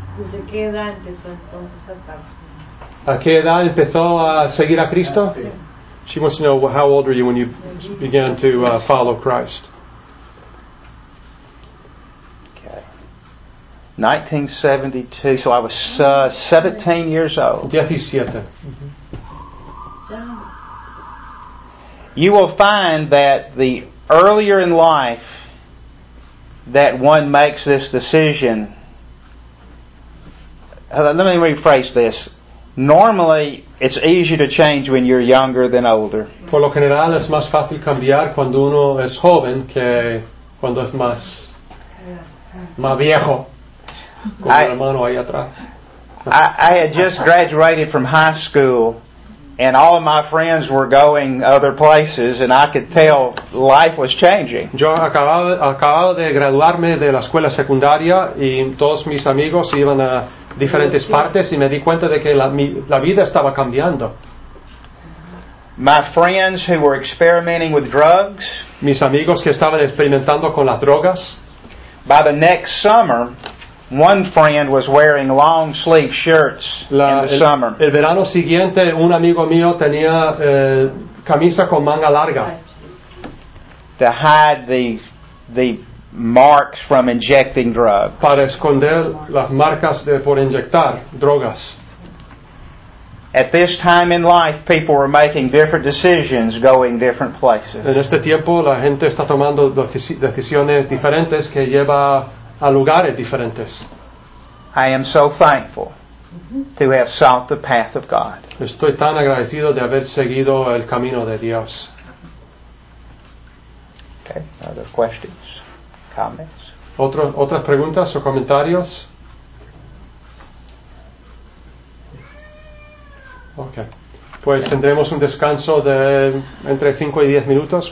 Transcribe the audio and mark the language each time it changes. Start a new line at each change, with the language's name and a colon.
Spanish: ¿Desde qué edad empezó entonces a estar? ¿A qué edad empezó a seguir a Cristo? Sí.
English: She wants to know how old were you when you began to follow Christ. Okay. 1972, so I was 17 years old. 17. You will find that the earlier in life that one makes this decision, let me rephrase this. Normally, it's easier to change when you're younger than older.
Spanish: Por lo general, es más fácil cambiar cuando uno es joven que cuando es más viejo. Con la mano ahí atrás.
English: I had just graduated from high school. And all of my friends were going other places, and I could tell life was changing.
Spanish: Yo acababa de graduarme de la escuela secundaria, y todos mis amigos iban a diferentes partes, y me di cuenta de que la vida estaba cambiando.
English: My friends who were experimenting with drugs.
Spanish: Mis amigos que estaban experimentando con las drogas.
English: By the next summer. One friend was wearing long sleeve shirts in the summer.
Spanish: El verano siguiente, un amigo mío tenía camisa con manga larga.
English: To hide the marks from injecting drugs.
Spanish: Para esconder las marcas por inyectar drogas.
English: At this time in life, people were making different decisions, going different places.
Spanish: En este tiempo, la gente está tomando decisiones diferentes que lleva a lugares diferentes.
English: I am so thankful to have sought the path of God.
Spanish: Estoy tan agradecido de haber seguido el camino de Dios.
English: Okay, other questions, comments.
Spanish: Otras preguntas o comentarios. Okay, pues tendremos un descanso de entre 5 y 10 minutos.